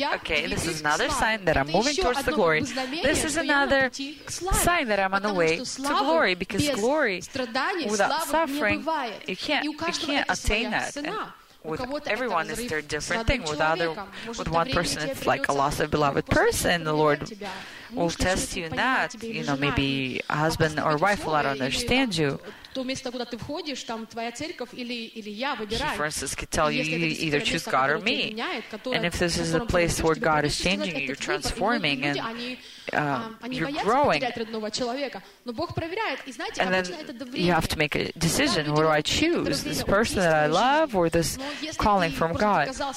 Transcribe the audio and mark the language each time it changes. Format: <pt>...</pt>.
<en>Okay, this is another sign that I'm moving towards the glory. This is another sign that I'm on the way to glory, because glory without suffering, you can't attain that. With everyone, it's their different thing. With one person, it's like a loss of a beloved person. The Lord will test you in that. You know, maybe a husband or wife will not understand you.</en> <ru>то место, куда ты входишь, там твоя церковь или я выбираю.</ru> <en>She, for instance, could tell you, you either choose God or me.</en> <ru>Меняет,</ru> <en>and if this is a place where God is changing you, you're transforming, and you're growing. And then you have to make a decision. What do I choose? This person that I love or this calling from God?</en>